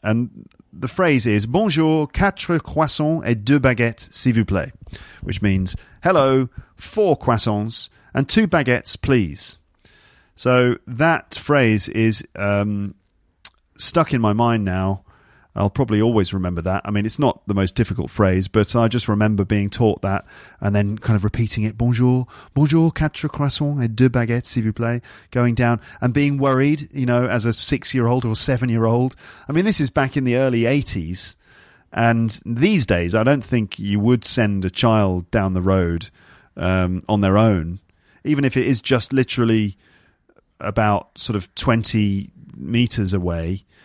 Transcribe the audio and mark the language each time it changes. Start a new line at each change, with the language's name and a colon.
English: And the phrase is,
French: bonjour, 4 croissants et 2 baguettes, s'il vous plaît,
English: which means, hello, 4 croissants and 2 baguettes, please. So that phrase is stuck in my mind now. I'll probably always remember that. I mean, it's not the most difficult phrase, but I just remember being taught that and then kind of repeating it.
French: Bonjour, bonjour, 4 croissants et 2 baguettes, s'il vous plaît.
English: Going down and being worried, you know, as a 6-year-old or 7-year-old. I mean, this is back in the early 80s. And these days, I don't think you would send a child down the road on their own, even if it is just literally about sort of 20 meters away.